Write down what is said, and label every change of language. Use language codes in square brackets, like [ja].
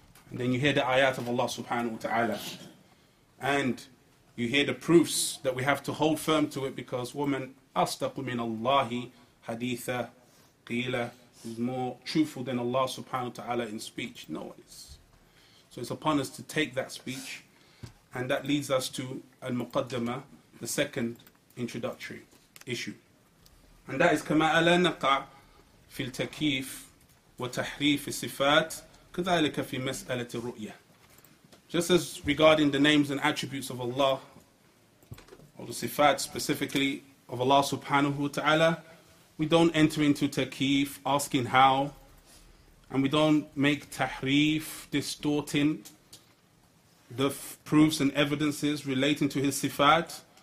[en] And then you hear the ayat of Allah subhanahu wa ta'ala. And you hear the proofs that we have to hold firm to it, because woman [ar] أَصْدَقُ مِنَ اللَّهِ حَدِيثًا قِيلًا, [en] is more truthful than Allah subhanahu wa ta'ala in speech. No one is. So it's upon us to take that speech. And that leads us to al-muqaddama, the second introductory issue. And that is [ar] كما ألا نقع في التكييف وتحريف الصفات كذلك في مسألة الرؤية. [en] Just as regarding the names and attributes of Allah, or the sifat specifically of Allah subhanahu wa ta'ala, we don't enter into takif asking how, and we don't make tahrif, distorting the proofs and evidences relating to his sifat.